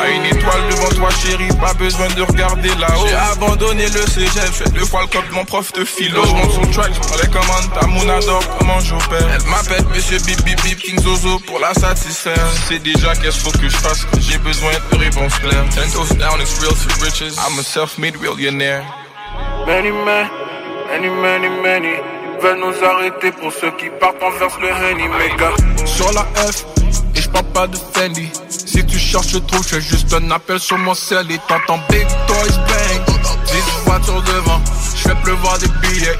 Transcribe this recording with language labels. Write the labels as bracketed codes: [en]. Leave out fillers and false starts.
[fr] A une étoile devant toi, chérie, pas besoin de regarder là-haut. J'ai abandonné le cégep, j'fais deux fois le code, mon prof te filo. Je monte sur le track, j'prends les commandes, ta moon adore comment j'opère. Elle m'appelle monsieur Bip Bip Bip King Zozo pour la satisfaire. C'est déjà qu'est-ce qu'faut que j'fasse, j'ai besoin de réponse claire. [en] Ten toes down, it's real to riches, I'm a self-made millionaire. Many men, many, many, many [fr] veulent nous arrêter pour ceux qui partent en verse le Henny, méga. Sur la F, et j'parle pas de Fendi. Si tu cherches, je trouve, j'fais juste un appel sur mon cell. Et t'entends Big Toys Bang. 10 voitures devant, j'fais pleuvoir des billets.